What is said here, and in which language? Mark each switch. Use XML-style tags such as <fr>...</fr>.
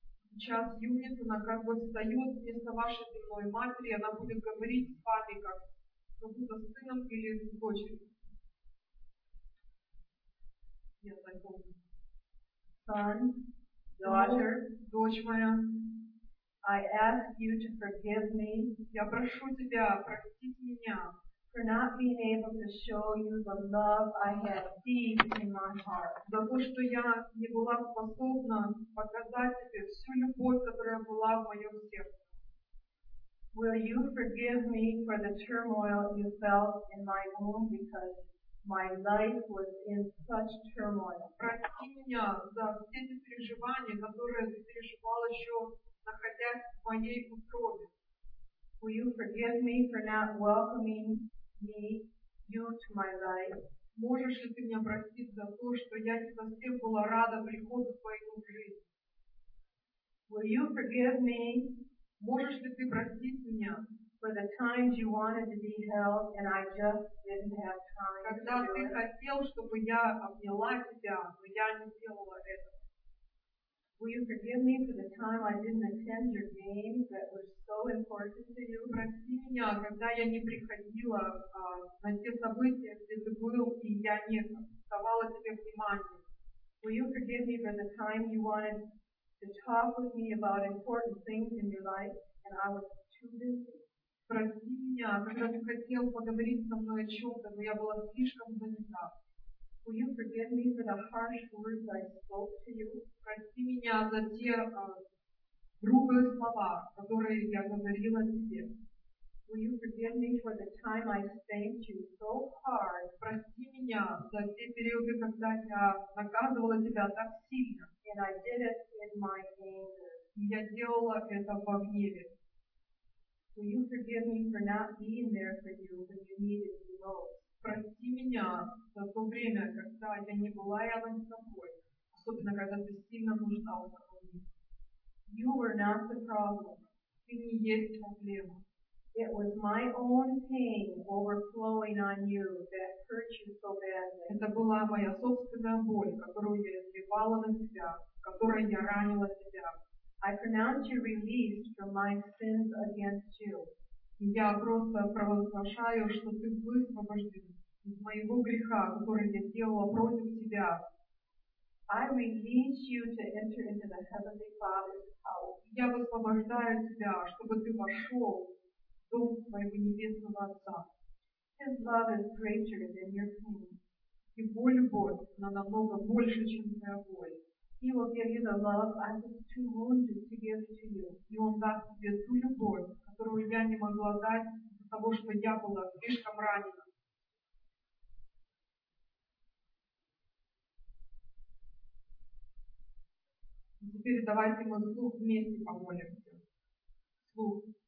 <ru>Сейчас Юнит, она как бы встает вместо вашей земной матери, она будет говорить с вами, как будто с сыном или с дочерью. Я знакомлю.</ru> <en>Son, daughter,</en> <ru>дочь моя,</ru> <en>I ask you to forgive me.</en> <ru>Я прошу тебя простить меня.</ru> <en>For not being able to show you the love I had deep in my heart.</en> <ru>За то, что я не была способна показать тебе всю любовь, которая была в моем сердце.</ru> <en>Will you forgive me for the turmoil you felt in my womb because my life was in such turmoil?</en> <ru>Прости меня за все эти переживания, которые ты переживала еще, находясь в моей утробе.</ru> <en>Will you forgive me for not welcoming me, you to my life?</en> <ru>Можешь ли ты меня простить за то, что я не совсем была рада приходу твоему в жизнь?</ru> <en>Will you forgive me?</en> <ru>Можешь ли ты простить меня?</ru> <en>For the times you wanted to be held and I just didn't have time.</en> <ru>Когда ты хотел, чтобы я обняла тебя, но я не сделала этого.</ru> <en>Will you forgive me for the time I didn't attend your games that were so important to you?</en> <ru>Прости меня, когда я не приходила на те события, где ты был, и я не давала тебе внимания.</ru> <en>Will you forgive me for the time you wanted to talk with me about important things in your life and I was too busy?</en> <ru>Прости меня, когда ты хотел поговорить со мной о чем-то, но я была слишком занята.</ru> <en>Will you forgive me for the harsh words I spoke to you?</en> <ru>Прости меня за те грубые слова, которые я говорила тебе.</ru> <en>Will you forgive me for the time I spanked you so hard?</en> <ru>Прости меня за те периоды, когда я наказывала тебя так сильно.</ru> <en>And I did it in my anger.</en> <ru>Я делала это во гневе.</ru> <en>Will you forgive me for not being there for you when you needed me most?</en> <ru>Прости меня за то время, когда я не была рядом с тобой, особенно когда ты сильно нуждался в мне.</ru> <en>You were not the problem.</en> <ru>Ты не есть проблема.</ru> <en>It was my own pain overflowing on you that hurt you so badly.</en> <ru>Это была моя собственная боль, которую я изливала на тебя, которой я ранила тебя.</ru> <en>I pronounce you released from my sins against you.</en> <ru>Я просто провозглашаю, что ты высвобожден из моего греха, который я делала против тебя.</ru> <en>I release you to enter into the Heavenly Father's house.</en> <ru>Я высвобождаю тебя, чтобы ты вошел в дом своего небесного Отца.</ru> <en>His love is greater than your pain.</en> <ru>Его любовь намного больше, чем твоя боль.</ru> <en>He will give you the love I was too wounded to give to you.</en> <ru>И он даст тебе ту любовь, которую я не могла дать из-за того, что я была слишком ранена. Теперь давайте мы вслух вместе помолимся. Вслух.</ru>